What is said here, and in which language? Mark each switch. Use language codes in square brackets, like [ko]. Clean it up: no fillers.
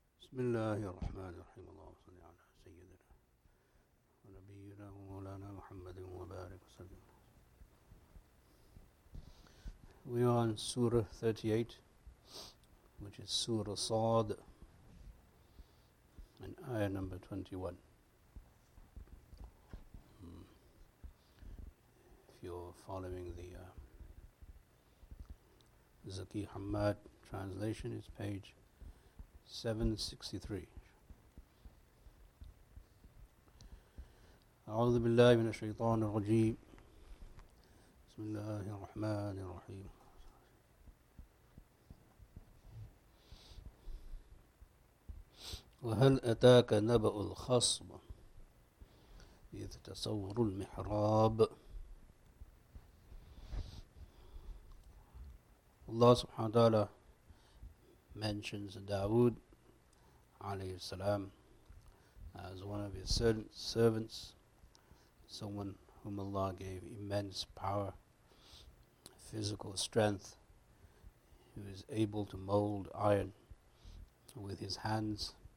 [ar] بسم الله الرحمن الرحيم اللهم صل على سيدنا ونبينا ومولانا محمد وبارك وسلم. [en] We are on Surah 38, which is Surah Sad, and ayah number 21. If you're following the Zaki Hamad translation, it's page 763. [ar] أعوذ بالله من الشيطان الرجيم بسم الله الرحمن الرحيم. وهل أتاك نبأ الخصم إذ تصوروا المحراب. [en] Allah subhanahu wa ta'ala mentions Dawood alayhi salam as one of his servants, someone whom Allah gave immense power, physical strength, who is able to mold iron with his hands.